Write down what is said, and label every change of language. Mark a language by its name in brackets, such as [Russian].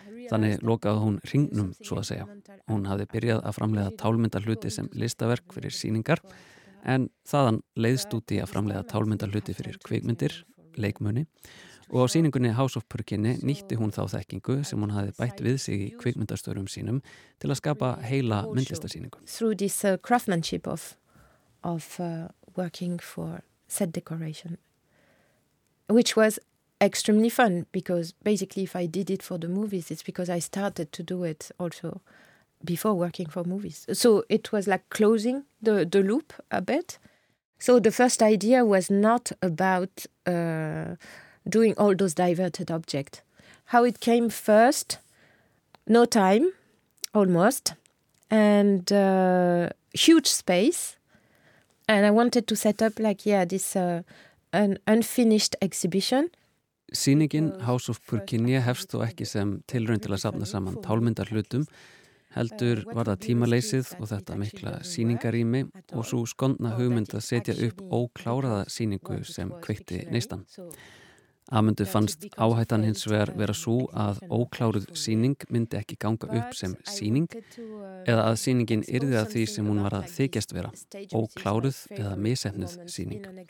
[Icelandic] Þannig lokaði hún hringnum, svo að segja. Hún hafði byrjað að framleiða tálmyndahluti sem listaverk fyrir sýningar, en þaðan leiðst út í að framleiða tálmyndahluti fyrir kvikmyndir, leikmunni, og á sýningunni House of Purkinje nýtti hún þá þekkingu sem hún hafði bætt við sig í kvikmyndastörum sínum til að skapa heila myndlistarsýningu. [English] Through this craftsmanship of working for set decoration, which was extremely fun, because basically if I did it for the movies, it's because I started to do it also before working for movies. So it was like closing the loop a bit. So the first idea was not about doing all those diverted objects. how it came first, no time, almost, and huge space. And I wanted to set up like, yeah, this an unfinished exhibition. [Icelandic] Sýningin House of Purkinje hefst þó ekki sem tilraun til að safna saman tálmyndar hlutum, heldur var það tímaleysið og þetta mikla sýningarými og svo skondna hugmynd að setja upp ókláraða sýningu sem kveikti neistan. Amundu fannst áhættan hins vegar vera svo að ókláruð sýning myndi ekki ganga upp sem sýning eða að sýningin yrði að því sem hún var að þykjast vera, ókláruð eða misefnuð sýning.